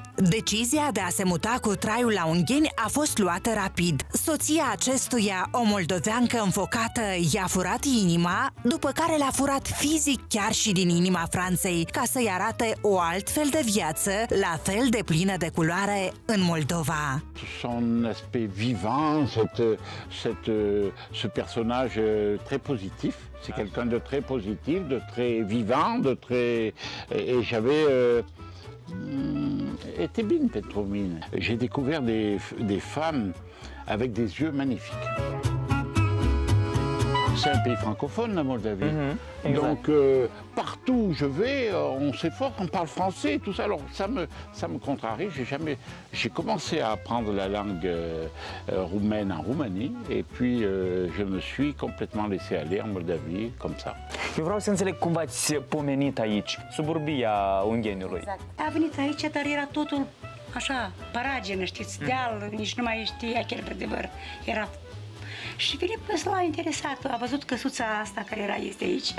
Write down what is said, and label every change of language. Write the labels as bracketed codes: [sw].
[ro] Decizia de a se muta cu traiul la Ungheni a fost luată rapid. Soția acestuia, o moldoveancă înfocată, i-a furat inima, după care l-a furat fizic chiar și din inima Franței, ca să-i arate o altfel de viață, la fel de plină de culoare, în Moldova. [fr] Son aspect vivant, ce personnage très positif. C'est quelqu'un de très positif, de très vivant, de très... Et j'avais... Était bien Petromine. J'ai découvert des femmes avec des yeux magnifiques. C'est un pays francophone, la Moldavie. Mm-hmm. Donc partout où je vais, on s'efforce, on parle français, tout ça. Alors ça me contrarie. J'ai commencé à apprendre la langue roumaine en Roumanie, et puis je me suis complètement laissé aller en Moldavie comme ça. [ro] Eu vreau să înțeleg cum v-ați pomenit aici, suburbia Ungheniului. Exact. A venit aici, dar era totul așa, paragenă, știți, deal, nici nu mai știa chiar pe adevăr. Era... Și Filip s-a interesat, a văzut căsuța asta care era este aici.